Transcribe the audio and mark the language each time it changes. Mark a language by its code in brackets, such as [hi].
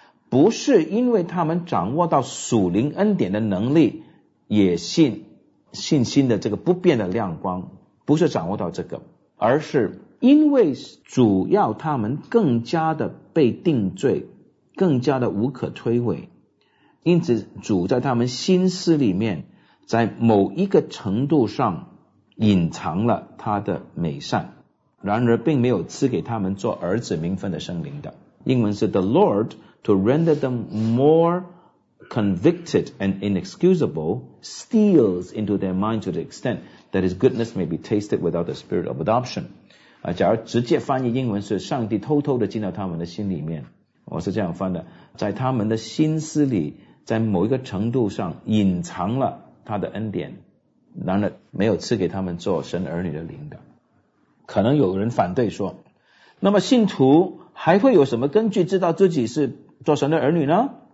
[zh] 不是因为他们掌握到属灵恩典的能力，也信信心的这个不变的亮光，不是掌握到这个，而是因为主要他们更加的被定罪，更加的无可推诿，因此主在他们心思里面，在某一个程度上隐藏了他的美善，然而并没有赐给他们做儿子名分的圣灵的。英文是 [en] The Lord to render them more convicted and inexcusable steals into their mind to the extent that his goodness may be tasted without the spirit of adoption。 [zh] 假如直接翻译英文是上帝偷偷地进到他们的心里面，我是这样翻的，在他们的心思里，在某一个程度上隐藏了他的恩典，然而没有赐给他们做神儿女的灵的。可能有人反对说，那么信徒还会有什么根据知道自己是做神的儿女呢？